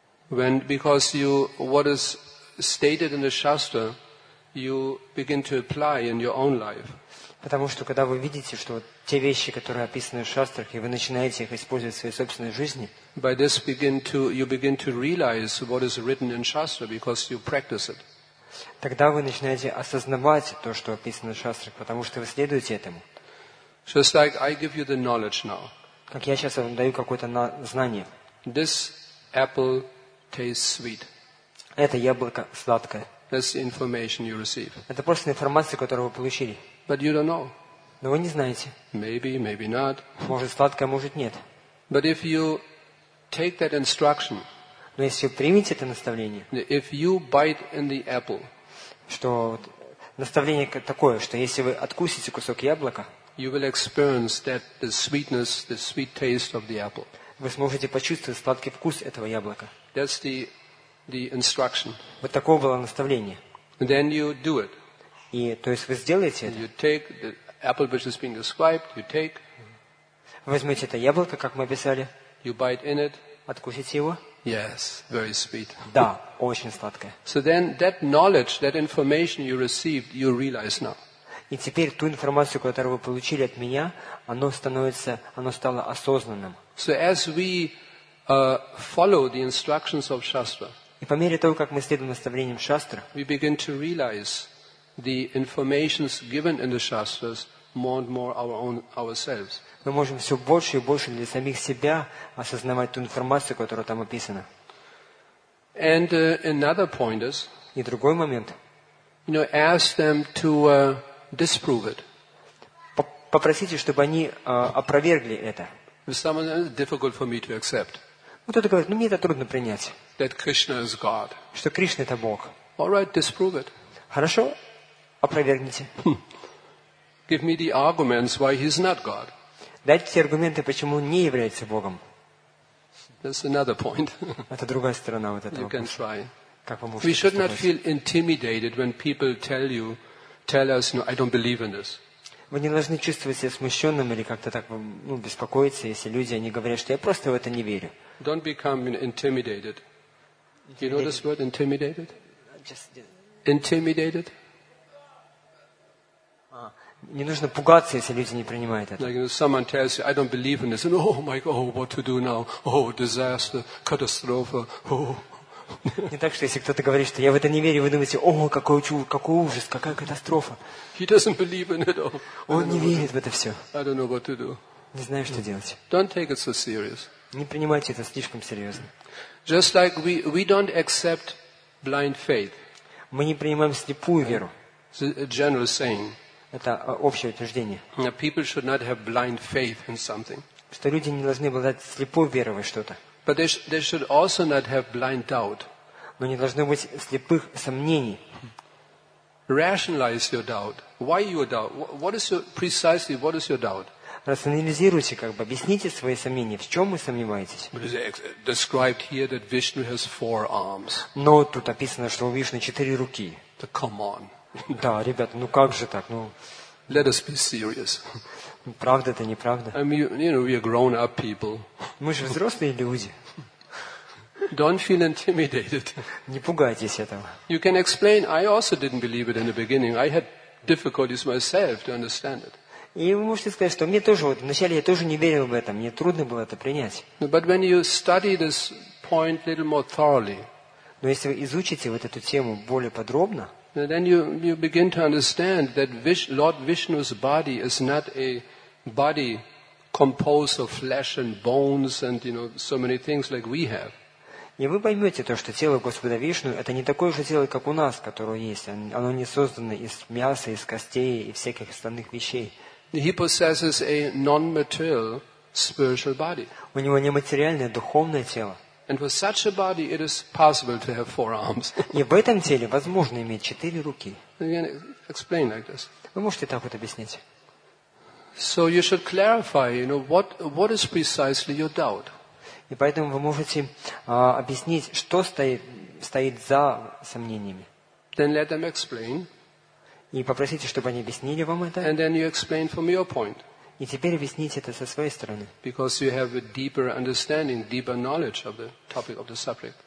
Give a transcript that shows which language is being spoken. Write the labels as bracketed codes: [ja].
[en] When because you what is stated in the Shastra, you begin to apply in your own life. [ru] Потому что когда вы видите, что те вещи, которые описаны в шастрах, и вы начинаете их использовать в своей собственной жизни. [en] By this you begin to realize what is written in Shastra because you practice it. [ru] Тогда вы начинаете осознавать то, что описано в шастрах, потому что вы следуете этому. [en] Just like I give you the knowledge now. [ru] Как я сейчас вам даю какое-то знание. [en] This apple tastes sweet. [ru] Это яблоко сладкое. [en] That's the information you receive. [ru] Это просто информация, которую вы получили. [en] But you don't know. [ru] Но вы не знаете. [en] Maybe, maybe not. [ru] Может сладкое, может нет. [en] But if you take that instruction. [ru] Но если вы примете это наставление. [en] If you bite in the apple. [ru] Что наставление такое, что если вы откусите кусок яблока. [en] You will experience that the sweetness, the sweet taste of the apple. [ru] Вы сможете почувствовать сладкий вкус этого яблока. [en] That's the instruction. [ru] Вот такое было наставление. [en] Then you do it. [ru] И то есть вы сделаете это. [en] You take the apple which is being described. You take. [ru] Возьмете это яблоко, как мы описали. [en] You bite in it. [ru] Откусите его. [en] Yes, very sweet. [ru] Да, очень сладкое. [en] So then that knowledge, that information you received, you realize now. [ru] И теперь ту информацию, которую вы получили от меня, оно стало осознанным. [en] So as we follow the instructions of Shastra. [ru] И по мере того, как мы следуем наставлениям Шастры, [en] we begin to realize the information given in the Shastras more and more ourselves. [ru] Мы можем все больше и больше для самих себя осознавать ту информацию, которая там описана. [en] And another point is, [ru] и другой момент, [en] you know, ask them to disprove it. [ru] Попросите, чтобы они опровергли это. [en] Someone is difficult for me to accept. [ru] Кто-то говорит, мне это трудно принять. [en] That Krishna is God. [ru] Что Кришна это Бог. [en] All right, disprove it. [ru] Хорошо, опровергните. [en] Give me the arguments why he is not God. [ru] Дайте аргументы, почему он не является Богом. [en] That's another point. [ru] Это другая сторона вот этого. [en] You can try. [ru] Как вы можете? [en] We should not feel intimidated when people tell us, no, I don't believe in this. [ru] Вы не должны чувствовать себя смущенным или как-то так беспокоиться, если люди они говорят, что я просто в это не верю. [en] Don't become intimidated. You know this word intimidated? Intimidated? [ru] Не нужно пугаться, если люди не принимают это. [en] Like, you know, someone tells you, I don't believe in this, and oh my God, what to do now? Oh, disaster, catastrophe. Oh. [ru] Не так, что если кто-то говорит, что я в это не верю, вы думаете, о, какой ужас, какая катастрофа. [en] He doesn't believe in it all. [ru] Он не верит в это все. [en] I don't know what to do. [ru] Не знаю, что делать. [en] Don't take it so serious. [ru] Не принимайте это слишком серьезно. [en] Just like we don't accept blind faith. [ru] Мы не принимаем слепую веру. [en] It's a general saying. [ru] Это общее утверждение. [en] That people should not have blind faith in something. [ru] Что люди не должны обладать слепой верой во что-то. [en] But they should also not have blind doubt. [ru] Но не должны быть слепых сомнений. [en] Rationalize your doubt. Why your doubt? What is your doubt? [ru] Рационализируйте, как бы, объясните свои сомнения, в чем вы сомневаетесь. Но тут описано, что у Вишны четыре руки. Да, ребята, ну как же так? Ну, [en] let us be serious. [ru] Правда это, неправда? [en] I mean, you know, we are grown up people. [ru] Мы же взрослые люди. [en] Don't feel intimidated. [ru] Не пугайтесь этого. [en] You can explain. I also didn't believe it in the beginning. I had difficulties myself to understand it. [ru] И вы можете сказать, что мне тоже, вот, вначале я тоже не верил в это, мне трудно было это принять. [en] But when you study this point a little more thoroughly, [ru] но если вы изучите вот эту тему более подробно, [en] then you begin to understand that Lord Vishnu's body is not a body composed of flesh and bones and, you know, so many things like we have. [ru] И вы поймете то, что тело Господа Вишну это не такое же тело, как у нас, которое есть. Оно не создано из мяса, из костей и всяких остальных вещей. [en] He possesses a non-material spiritual body. [ru] У него нематериальное духовное тело. [en] And with such a body, it is possible to have four arms. [ru] И в этом теле возможно иметь четыре руки. [en] Explain like this. [ru] Вы можете так вот объяснить? [en] So you should clarify, you know, what is precisely your doubt? [ru] И поэтому вы можете объяснить, что стоит за сомнениями. [en] Then let them explain. [ru] И попросите, чтобы они объяснили вам это. [en] And then you explain from your point. [ru] И теперь объясните это со своей стороны. [en] Because you have a deeper understanding, deeper knowledge of the topic of the subject.